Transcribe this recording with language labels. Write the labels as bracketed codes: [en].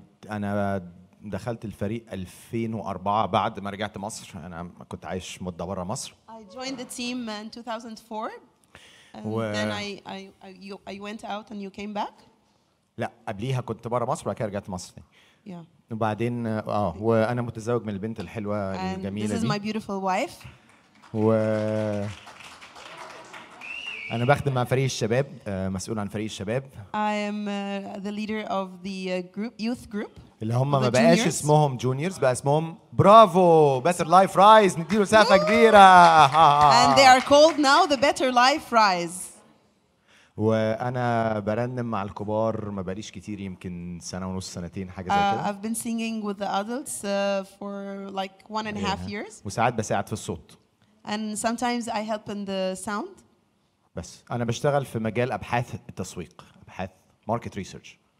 [ar] انا دخلت الفريق 2004 بعد ما رجعت مصر. انا كنت عايش مده بره مصر. [en] I joined the team in 2004 and then I went out and you came back. [ar] لا قبليها كنت بره مصر وبعد كده رجعت مصر. [en] Yeah. [ar] وبعدين وانا متزوج من البنت الحلوه الجميله دي. [en] This is my beautiful wife. [ar] و أنا بخدم مع فريق الشباب، مسؤول عن فريق الشباب. [en] I am the leader of the group, youth group. [ar] اللي هم ما بقاش اسمهم juniors، بقى اسمهم برافو، Better Life Rise، نديله سقفة كبيرة. [en] And they are called now the Better Life Rise. [ar] وأنا برنم مع الكبار ما بقاليش كتير، يمكن سنة ونص سنتين حاجة زي كده. [en] I've been singing with the adults for like 1.5 years. [ar] وساعات بساعد في الصوت. [en] And sometimes I help in the sound. [ar] بس انا بشتغل في مجال ابحاث التسويق، ابحاث ماركت ريسيرش.